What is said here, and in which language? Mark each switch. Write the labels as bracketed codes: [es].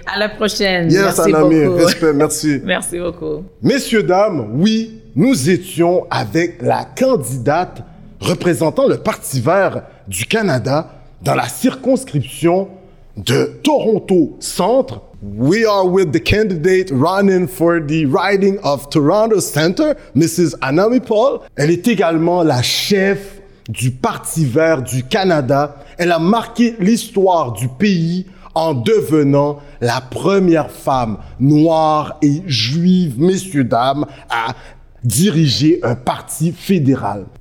[fr] À la prochaine. [en] Yes, [fr] merci un ami. Beaucoup. Respect, merci. Merci beaucoup. Messieurs, dames, oui, nous étions avec la candidate représentant le Parti vert du Canada dans la circonscription de Toronto-Centre. [en] We are with the candidate running for the riding of Toronto Centre, Mrs. Anami Paul. [fr] Elle est également la chef du Parti vert du Canada. Elle a marqué l'histoire du pays en devenant la première femme noire et juive, messieurs, dames, à diriger un parti fédéral.